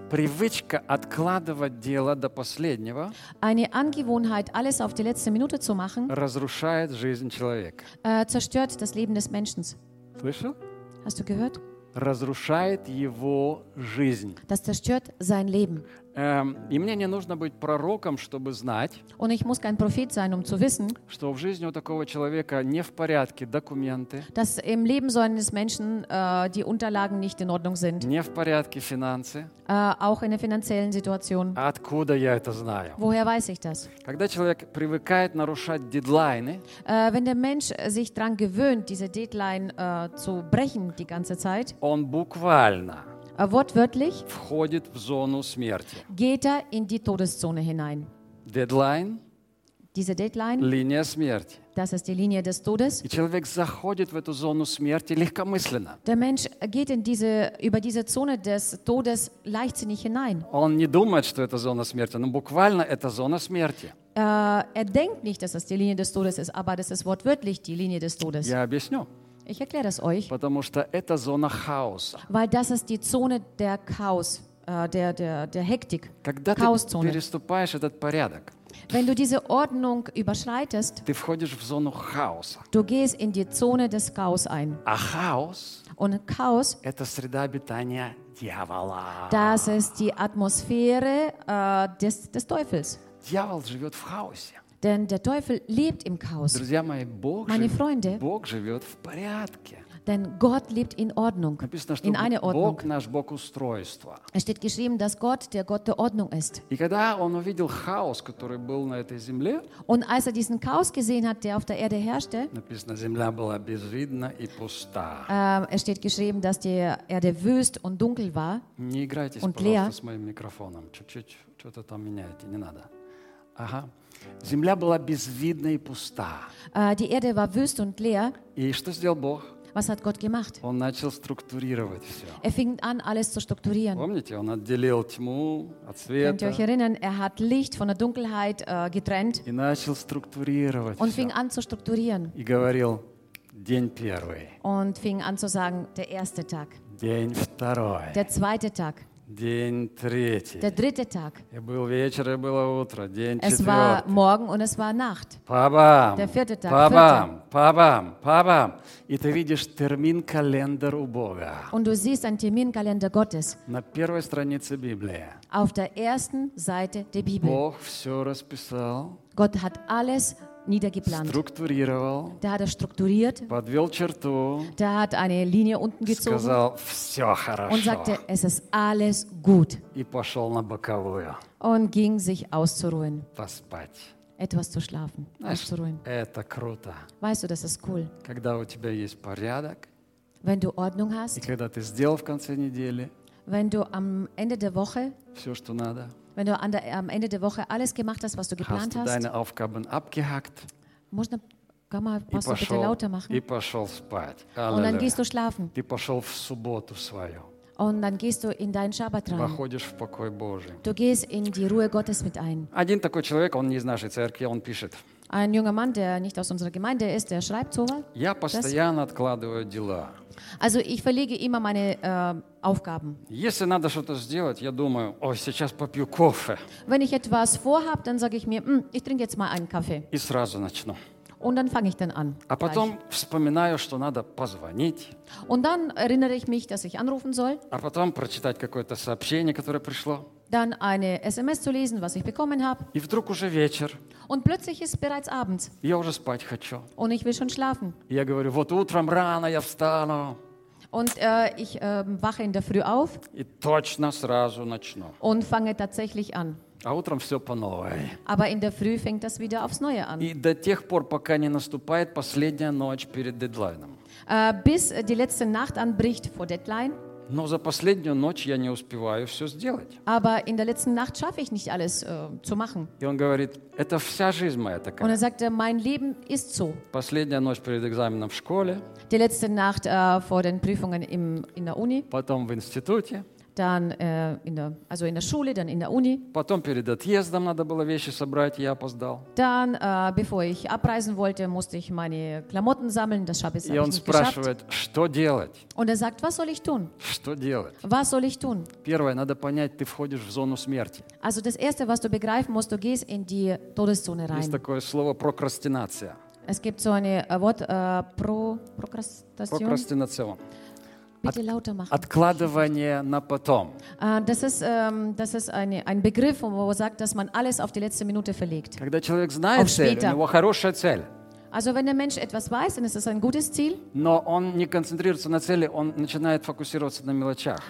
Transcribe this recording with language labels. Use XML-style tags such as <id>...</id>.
<ru>Привычка откладывать дело до последнего.</ru> <de>Eine Angewohnheit, alles auf die letzte Minute zu machen.</de> <ru>Разрушает жизнь человека.</ru> <de>Zerstört das Leben des Menschen.</de> <ru>Слышал?</ru> <de>Hast du gehört?</de> <ru>Разрушает его жизнь.</ru> <de>Das zerstört sein Leben.</de> <ru>И мне не нужно быть пророком, чтобы знать.</ru> <de>Und ich muss kein Prophet sein, um zu wissen,</de> <ru>что в жизни у такого человека не в порядке документы.</ru> <de>Dass im Leben so eines Menschen die Unterlagen nicht in Ordnung sind.</de> <ru>Не в порядке финансы.</ru> <de>Auch in der finanziellen Situation.</de> <ru>Откуда я это знаю?</ru> <de>Woher weiß ich das?</de> <ru>Когда человек привыкает нарушать дедлайны.</ru> <de>Wenn der Mensch sich dran gewöhnt, diese Deadline zu brechen die ganze Zeit.</de> <ru>Он буквально.</ru> <de>Wortwörtlich</de> <ru>входит в зону смерти.</ru> <de>Geht er in die Todeszone hinein.</de> <ru>Deadline,</ru> <de>diese Deadline,</de> <ru>линия смерти.</ru> <de>Das ist die Linie des Todes.</de> <ru>И человек заходит в эту зону смерти легкомысленно.</ru> <de>Der Mensch geht in diese, über diese Zone des Todes leichtsinnig hinein.</de> <ru>Он не думает, что это зона смерти, но буквально это зона смерти.</ru> <de>Er denkt nicht, dass das die Linie des Todes ist, aber das ist wortwörtlich die Linie des Todes.</de> <ru>Я объясню.</ru> <de>Ich erkläre das euch.</de> <ru>Потому что это зона хаоса.</ru> <de>Weil das ist die Zone der Chaos, der Hektik.</de> <ru>Когда</ru> <de>Chaos-Zone.</de> <ru>Ты переступаешь этот порядок.</ru> <de>Wenn du diese Ordnung überschreitest.</de> <ru>Ты входишь в зону хаоса.</ru> <de>Du gehst in die Zone des Chaos ein.</de> <ru>А хаос.</ru> <de>Und Chaos.</de> <ru>Это среда обитания дьявола.</ru> <de>Das ist die Atmosphäre des Teufels.</de> <ru>Дьявол живет в хаосе.</ru> <de>Denn der Teufel lebt im Chaos.</de> <ru>Друзья мои, Бог</ru> <de>Meine Freunde,</de> <ru>Бог живет в порядке.</ru> <de>Denn Gott lebt in Ordnung.</de> <ru>Написано,</ru> <de>in einer Ordnung.</de> <ru>Бог наш Бог устройства.</ru> <de>Es steht geschrieben, dass Gott der Gott der Ordnung ist.</de> <ru>И когда он увидел хаос, который был на этой земле,</ru> <de>Und als er diesen Chaos gesehen hat, der auf der Erde herrschte,</de> <ru>Написано, земля была безвидна и пуста.</ru> <de>Es steht geschrieben, dass die Erde wüst und dunkel war.</de> <ru>Не играйтесь,</ru> <de>und leer.</de> <ru>Пожалуйста, с моим микрофоном. Чуть-чуть что-то там меняйте, не надо. Ага. Земля была безвидна и пуста.</ru> <de>Die Erde war wüst und leer.</de> <ru>И что сделал Бог?</ru> <de>Was hat Gott gemacht?</de> <ru>Он начал структурировать все.</ru> <de>Er fing an, alles zu strukturieren.</de> <ru>Помните, он отделил тьму от света.</ru> <de>Könnt ihr euch erinnern, er hat Licht von der Dunkelheit getrennt.</de> <ru>И начал структурировать все.</ru> <de>Und fing an zu strukturieren.</de> <ru>И говорил, день первый.</ru> <de>Und fing an zu sagen, der erste Tag.</de> <ru>День второй.</ru> <de>Der zweite Tag.</de> <ru>День третий.</ru> <de>Der dritte Tag.</de> <ru>И был вечер, и было утро. День</ru> <de>es</de> <ru>четвертый.</ru> <de>War morgen und es war Nacht. Па-бам. Der vierte Tag. Па-бам. Па-бам. Па-бам.</de> <ru>И ты видишь термин-календарь у Бога.</ru> <de>Und du siehst einen Terminkalender Gottes.</de> <ru>На первой странице Библии.</ru> <de>Auf der ersten Seite der Bibel.</de> <ru>Бог все расписал.</ru> <de>Gott hat alles niedergeplant.</de> <ru>Структурировал.</ru> <de>Der hat es strukturiert.</de> <ru>Подвел черту.</ru> <de>Der hat eine Linie unten gezogen.</de> <ru>Сказал, все хорошо.</ru> <de>Und sagte, es ist alles gut.</de> <ru>И пошел на боковую.</ru> <de>Und ging sich auszuruhen.</de> <ru>Поспать.</ru> <de>Etwas zu schlafen.</de> <ru>Знаешь,</ru> <de>auszuruhen.</de> <ru>Это круто.</ru> <de>Weißt du, das ist cool.</de> <ru>Когда у тебя есть порядок.</ru> <de>Wenn du Ordnung hast.</de> <ru>И когда ты сделал в конце недели.</ru> <de>Wenn du am Ende der Woche.</de> <ru>Все, что надо.</ru> <de>Wenn du am Ende der Woche alles gemacht hast, was du geplant hast. Hast du deine Aufgaben abgehakt?</de> <ru>Можно,</ru> <de>kann man, musst du bitte lauter machen?</de> <ru>И пошел спать.</ru> <de>Alleluia. Und dann gehst du schlafen.</de> <ru>Ты пошел в субботу свою.</ru> <de>Und dann gehst du in deinen Schabbat rein.</de> <ru>Походишь в покой Божий.</ru> <de>Du gehst in die Ruhe Gottes mit ein.</de> <ru>Один такой человек, он не из нашей церкви, он пишет.</ru> <de>Ein junger Mann, der nicht aus unserer Gemeinde ist, der schreibt sowas.</de> <ru>Я постоянно откладываю дела.</ru> <de>Also ich verlege immer meine Aufgaben.</de> <ru>Если надо что-то сделать, я думаю, ой, сейчас попью кофе.</ru> <de>Wenn ich etwas vorhab, dann sage ich mir, ich trinke jetzt mal einen Kaffee.</de> <ru>И сразу начну.</ru> <de>Und dann fange ich dann an.</de> <ru>А потом</ru> <de>gleich.</de> <ru>Вспоминаю, что надо позвонить.</ru> <de>Und dann erinnere ich mich, dass ich anrufen soll.</de> <ru>А потом прочитать какое-то сообщение, которое пришло.</ru> <de>Dann eine SMS zu lesen, was ich bekommen habe.</de> <ru>И вдруг уже вечер.</ru> <de>Und plötzlich ist bereits abends.</de> <ru>Я уже спать хочу.</ru> <de>Und ich will schon schlafen.</de> <ru>Я говорю, вот утром рано я встану.</ru> <de>Und ich wache in der Früh auf.</de> <ru>И точно сразу начну.</ru> <de>Und fange tatsächlich an.</de> <ru>А утром все по новой.</ru> <de>Aber in der Früh fängt das wieder aufs Neue an.</de> <ru>И до тех пор, пока не наступает последняя ночь перед дедлайном.</ru> <de>Bis die letzte Nacht anbricht vor Deadline.</de> <ru>Но за последнюю ночь я не успеваю все сделать.</ru> <de>Aber in der letzten Nacht schaffe ich nicht alles zu machen.</de> <ru>И он говорит, это вся жизнь моя такая.</ru> <de>Und er sagte, mein Leben ist so.</de> <ru>Последняя ночь перед экзаменом в школе.</ru> <de>Die letzte Nacht vor den Prüfungen in der Uni.</de> <ru>Потом в институте.</ru> <de>Dann also in der Schule, dann in der Uni.</de> <ru>Потом перед отъездом надо было вещи собрать, я опоздал.</ru> <de>Dann bevor ich abreisen wollte, musste ich meine Klamotten sammeln, das habe ich nicht geschafft.</de> <ru>И он спрашивает, что делать?</ru> <de>Und er sagt, was soll ich tun?</de> <ru>Что делать?</ru> <de>Was soll ich tun?</de> <ru>Первое, надо понять, ты входишь в зону смерти.</ru> <de>Also das erste, was du begreifen musst, du gehst in die Todeszone rein.</de> <ru>Есть такое слово прокрастинация.</ru> <de>Es gibt so eine Wort прокрастинация.</de> <ru>Прокрастинация.</ru> <de>Bitte lauter machen.</de> <ru>Откладывание на потом.</ru> <de>Das ist ein Begriff, wo man sagt, dass man alles auf die letzte Minute verlegt.</de> <ru>Когда человек знает цель, у него хорошая цель.</ru> <de>Also wenn der Mensch etwas weiß, dann ist es ein gutes Ziel.</de> <ru>Но он не концентрируется на цели, он начинает фокусироваться на мелочах.</ru>